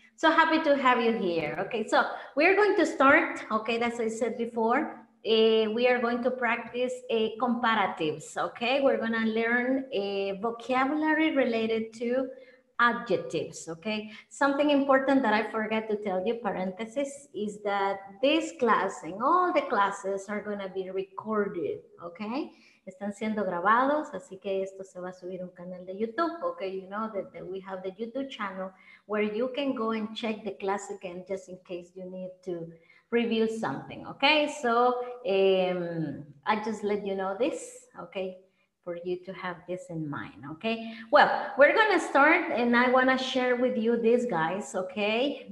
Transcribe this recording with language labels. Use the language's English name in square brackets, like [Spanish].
[English] So happy to have you here, okay? So we're going to start, okay, as I said before, we are going to practice comparatives, okay? We're gonna learn a vocabulary related to adjectives, okay? Something important that I forgot to tell you, parenthesis, is that this class and all the classes are gonna be recorded, okay? [Spanish] Están siendo grabados, así que esto se va a subir un canal de YouTube, okay? [English] You know that we have the YouTube channel where you can go and check the class again just in case you need to review something, okay? So I just let you know this, okay? For you to have this in mind, okay? Well, we're gonna start and I wanna share with you these guys, okay?